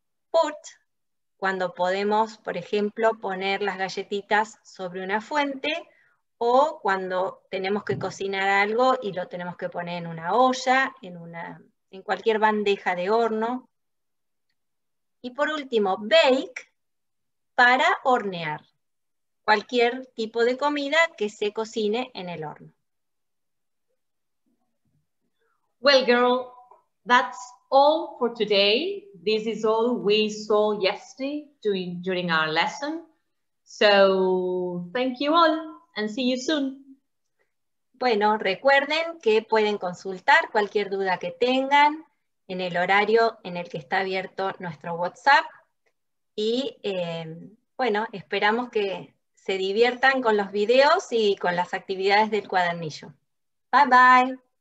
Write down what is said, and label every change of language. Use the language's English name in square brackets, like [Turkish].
[English] Put, [Spanish] cuando podemos, por ejemplo, poner las galletitas sobre una fuente o cuando tenemos que cocinar algo y lo tenemos que poner en una olla, en cualquier bandeja de horno. Y por último, [English] bake, [Spanish] para hornear cualquier tipo de comida que se cocine en el horno. [English] Well, girl, that's all for today. This is all we saw yesterday during our lesson. So, thank you all and see you soon. [Spanish] Bueno, recuerden que pueden consultar cualquier duda que tengan en el horario en el que está abierto nuestro WhatsApp. Y bueno, esperamos que se diviertan con los videos y con las actividades del cuadernillo. [English] Bye, bye.